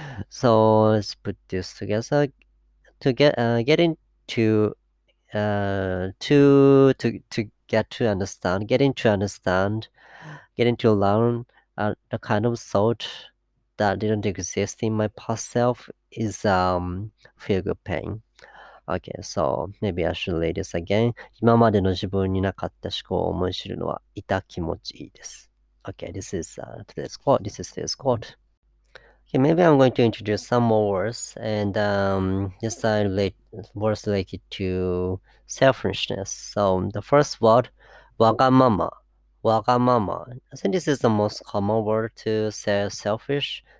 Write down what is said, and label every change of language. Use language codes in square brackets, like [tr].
[en] So let's put this together to get to learn the kind of thought that didn't exist in my past self is feel good pain. Okay, so maybe I should read this again. [ja] 今までの自分になかった思考を思い知るのは痛気持ちいいです。 [en] Okay, this is today's quote. This is today's quote. Okay, maybe I'm going to introduce some more words, and just words related to selfishness. So the first word, wagamama. Wagamama. I think this is the most common word to say selfish.